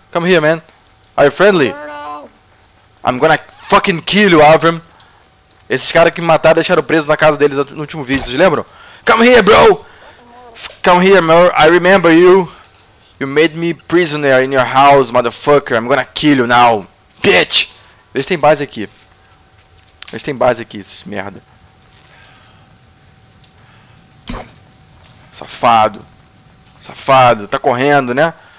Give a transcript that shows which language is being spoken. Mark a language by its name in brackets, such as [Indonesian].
[English] Come here, man! Are you friendly? I'm gonna fucking kill you, Avram! [Portuguese] Esses caras que me mataram deixaram preso na casa deles no último vídeo, vocês lembram? [English] Come here, bro! Come here, man. I remember you. You made me prisoner in your house, motherfucker. I'm gonna kill you now. Bitch! [Portuguese] Eles têm base aqui. Eles têm base aqui, esses merda. Safado. Safado. Tá correndo, né?